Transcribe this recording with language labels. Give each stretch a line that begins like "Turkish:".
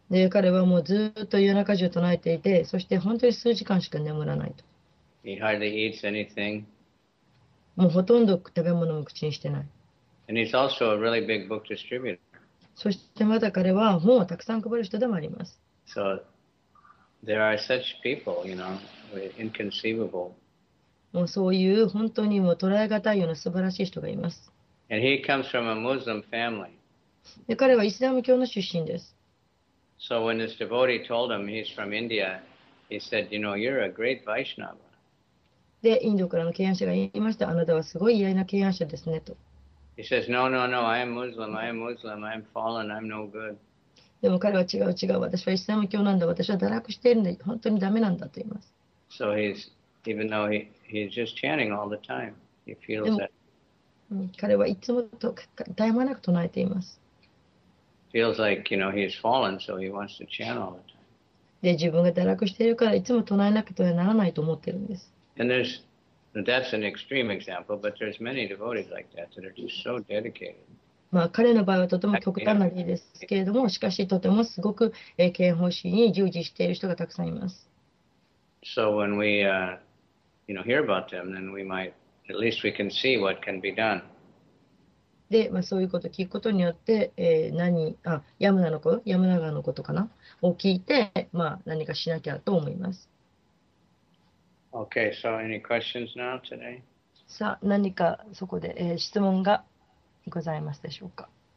Japanese: 彼はもうずっと夜中中唱えていて、そして本当に数時間しか眠らないと。
English: He hardly eats anything.
Japanese: もうほとんど食べ物も口にしてない。
English: And he's also a really big book distributor.
Japanese: そしてまた彼は本をたくさん配る人でもあります。
English: So there are such people, you know, inconceivable.
Japanese: もうそういう本当にもう捉えがたいような素晴らしい人がいます。
English: And he comes from a Muslim family.
Japanese: で彼はイスラム教の出身です。
English: So when this devotee told him he's from India, he said, you know, you're a great Vaishnava.
Japanese: で、インドからの敬愛者が言いました。あなたはすごい偉大な敬愛者ですねと。
English: He says, no, no, no, I am Muslim, I am Muslim, I am fallen, I'm no good.
Japanese: でも彼は違う違う、私はイスラム教なんだ、私は堕落しているんで、本当にダメなんだと言います。
English: So he's... Even though he's just chanting all the time, he feels that.
Japanese: 彼はいつもと絶え間なく唱えています。
English: Feels like, you know, he's fallen, so he wants to chant all the time.
Japanese: で、自分が堕落しているからいつも唱えなくてはならないと思っているんです。
English: And that's an extreme example, but there's many devotees like that that are just so dedicated.
Japanese: まあ、彼の場合はとても極端な例ですけれども、しかしとてもすごく敬愛方針に従事している人がたくさんいます。
English: So when we, you know, hear about them, then we might, at least we can see what can be done.
Japanese: で、まあ、そういうことを聞くことによって、ヤムナガのことかなを聞いて、まあ、何かしなきゃと思います。
English: Okay, so any questions now today?
Japanese: さあ、何かそこで、質問がございますでしょうか。